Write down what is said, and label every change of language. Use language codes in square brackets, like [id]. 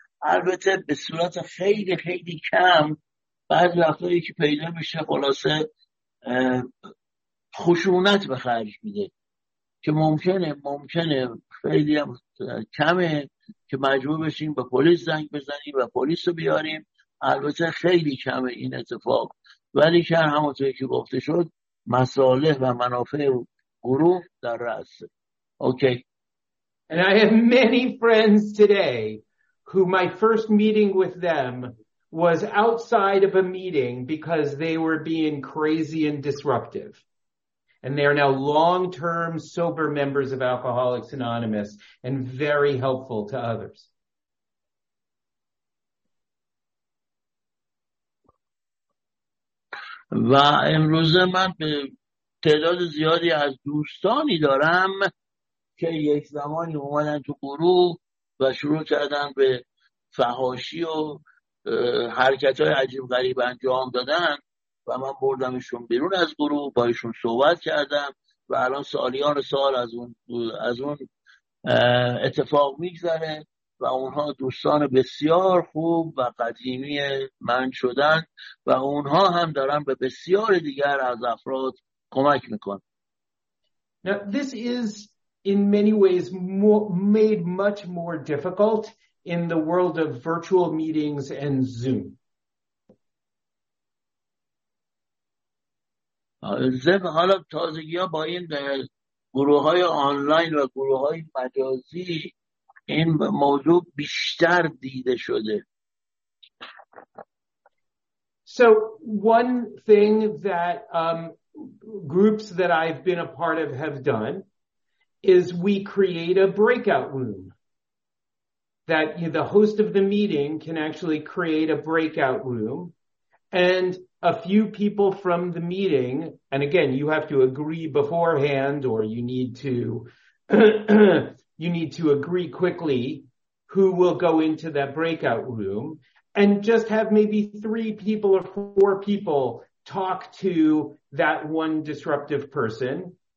[fa] البته به صورت خیلی خیلی کم بعد رفتایی که پیدا میشه خلاصه خشونت به خرج میده که ممکنه خیلی هم کمه که مجبور بشیم به پلیس زنگ بزنیم و پلیس رو بیاریم. البته خیلی کمه این اتفاق، ولی که همونطوری که گفته شد مصالح و منافع گروه در رأسه. اوکی. [en] And I have many friends today who my first meeting with them was outside of a meeting because they were being crazy and disruptive. And they are now long-term sober members of Alcoholics Anonymous and very helpful to others. [fa] و امروز من به تعداد زیادی از دوستانی دارم که یک زمانی اومدن تو گروه و شروع کردن به فحاشی و حرکت‌های عجیب غریب انجام دادن و من بردمشون بیرون از گروه، بایشون صحبت کردم و الان سالیان سال از اون اتفاق میگذره و اونها دوستان بسیار خوب و قدیمی من شدن و اونها هم دارن به بسیار دیگر از افراد کمک میکنن. [en] Now this is in many ways made much more difficult in the world of virtual meetings and Zoom. [fa] زب حالا تازگی ها با این گروه های آنلاین و گروه های مجازی این موضوع بیشتر دیده شده. [en] So one thing that groups that I've been a part of have done is we create a breakout room that the host of the meeting can actually create a breakout room and a few people from the meeting, and again, you have to agree beforehand or you need to agree quickly who will go into that breakout room and just have maybe three people or four people talk to that one disruptive person.